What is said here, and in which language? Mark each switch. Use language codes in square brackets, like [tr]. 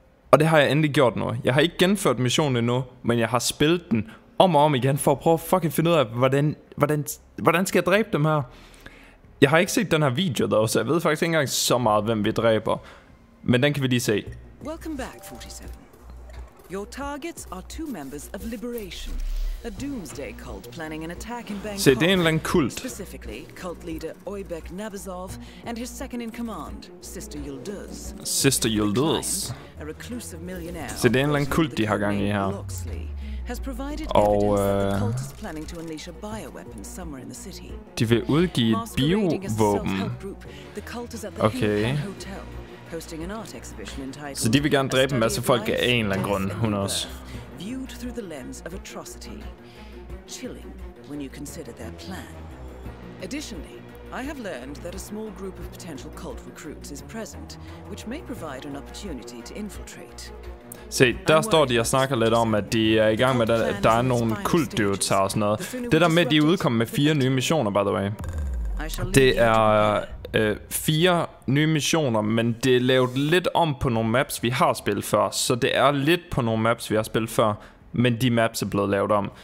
[da] Og det har jeg endelig gjort nu. Jeg har ikke genført missionen endnu, men jeg har spillet den om og om igen for at prøve at fucking finde ud af, hvordan skal jeg dræbe dem her. Jeg har ikke set den her video dog, så jeg ved faktisk ikke engang så meget, hvem vi dræber. Men den kan vi lige se. [en] Welcome back, 47. Your targets are two members of Liberation, a doomsday cult planning an attack in Bangkok. [da] Se, det er en eller anden kult. [en] Specifically, cult leader Oybek Nabazov and his second in command, Sister Yulduz. Sister Yulduz. A reclusive millionaire. [da] Se, det er en eller anden kult, de har gang i her. [en] Has provided evidence that the cult is planning to unleash a bioweapon somewhere in the city. [da] De vil udgive et biovåben. Okay. [en] Hosting an art exhibition entitled. [da] Så de vil gerne dræbe en masse folk af en eller anden grund, hun også. [en] Viewed through the lens of atrocity. Chilling when you consider their plan. Additionally, I have learned that a small group of potential cult recruits is present, which may provide an opportunity to infiltrate. [da] Se, der står de og snakker lidt om, at de er i gang med, at der er nogle kultdyrs og sådan noget. Det der med, at de er udkommet med fire nye missioner, [en] by the way. [da] Det er fire nye missioner, men det er lavet lidt om på nogle maps, vi har spillet før. Så det er lidt på nogle maps, vi har spillet før, men de maps er blevet lavet om.